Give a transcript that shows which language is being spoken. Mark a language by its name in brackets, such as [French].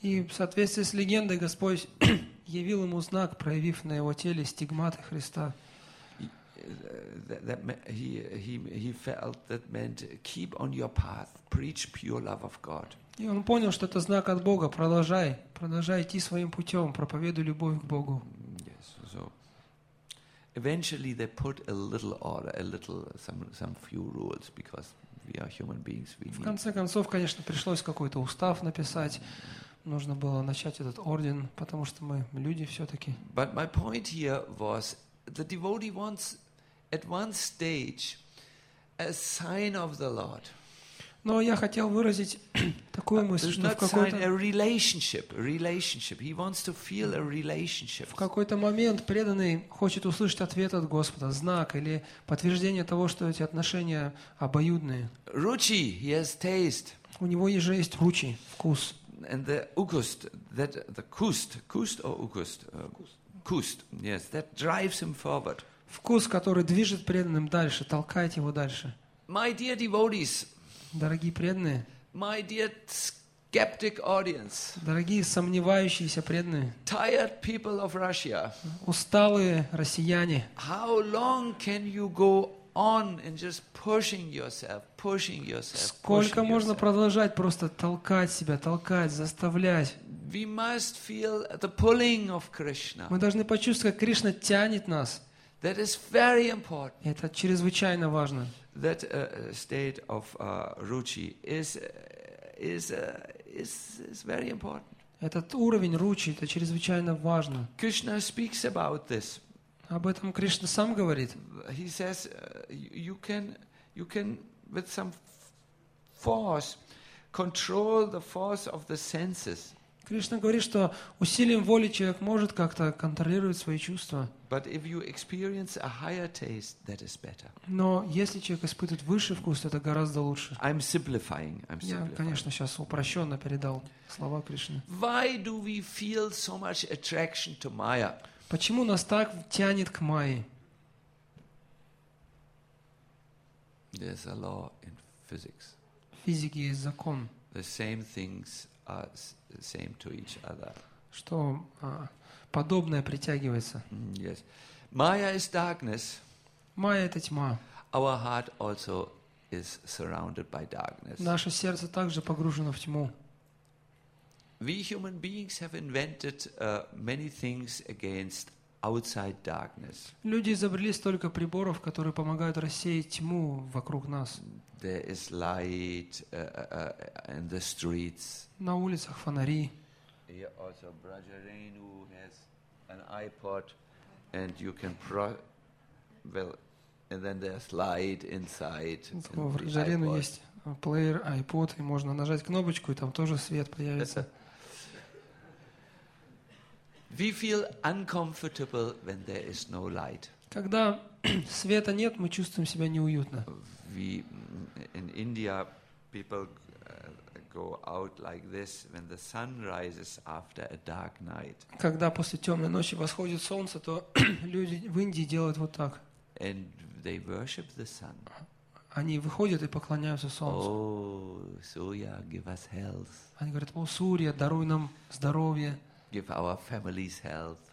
[Russian] И в соответствии с легендой Господь явил ему знак, проявив на его теле стигматы Христа. [English] He felt that meant keep on your path, preach pure love of God. [Russian] И он понял, что это знак от Бога: продолжай идти своим путем, проповедуй любовь к Богу. [English] Yes. So eventually they put a little order, a little some few rules, because we are human beings. [Russian] В конце концов, конечно, пришлось какой-то устав написать, нужно было начать этот орден, потому что мы люди все-таки. [English] But my point here was the devotee wants at one stage a sign of the Lord. [Russian] Но я хотел выразить такую мысль, что в какой-то момент преданный хочет услышать ответ от Господа, знак или подтверждение того, что эти отношения обоюдные. [English] Ручи, he has taste. [Russian] У него же есть ручи, вкус. [English] And the ukust, that the kust or ukust, kust, yes, that drives him forward. [Russian] Вкус, который движет преданным дальше, толкает его дальше. [English] My dear devotees. [Russian] Дорогие преданные. [English] My dear skeptic audience. [Russian] Дорогие сомневающиеся преданные. [English] Tired people of Russia. [Russian] Усталые россияне. [English] How long can you go on and just pushing yourself? [Russian] Сколько можно продолжать просто толкать себя, толкать, заставлять? [English] We must feel the pulling of Krishna. [Russian] Мы должны почувствовать, как Кришна тянет нас. [English] That is very important. [Russian] Это чрезвычайно важно. [English] That state of ruchi is is very important. [Russian] Этот уровень ручи, это чрезвычайно важно. [English] Krishna speaks about this. [Russian] Об этом Кришна сам говорит. [English] He says, you can with some force control the force of the senses. [Russian] Кришна говорит, что усилием воли человек может как-то контролировать свои чувства. [English] But if you experience a higher taste, that is better. [Russian] Но если человек испытывает высший вкус, это гораздо лучше. [English] I'm simplifying. [Russian] Я, конечно, сейчас упрощенно передал слова Кришны. [English] Why do we feel so much attraction to Maya? [Russian] Почему нас так тянет к Майе? [English] There's a law in physics. [Russian] В физике есть закон. [English] The same things are same to each other. [Russian] Что подобное притягивается. [English] Yes. Maya is darkness. [Russian] Майя — это тьма. [English] Our heart also is surrounded by darkness. [Russian] Наше сердце также погружено в тьму. [English] We human beings have invented many things against outside darkness. [Russian] Люди изобрели столько приборов, которые помогают рассеять тьму вокруг нас. [English] There is light in the streets. [Russian] На улицах фонари. [English] Here also Braja Renu has an iPod, and you can and then there's light inside. [Russian] У Braja Renu есть плеер, iPod, и можно нажать кнопочку, и там тоже свет появится. [English] We feel uncomfortable when there is no light. [Russian] Когда света нет, мы чувствуем себя неуютно. [English] We in India people go out like this when the sun rises after a dark night. [Russian] Когда после темной ночи восходит солнце, то люди в Индии делают вот так. [English] And they worship the sun. [Russian] Они выходят и поклоняются солнцу. [English] Oh, Surya, give us health. [Russian] Они говорят: «О, Сурья, даруй нам здоровье». [English] Give our families health.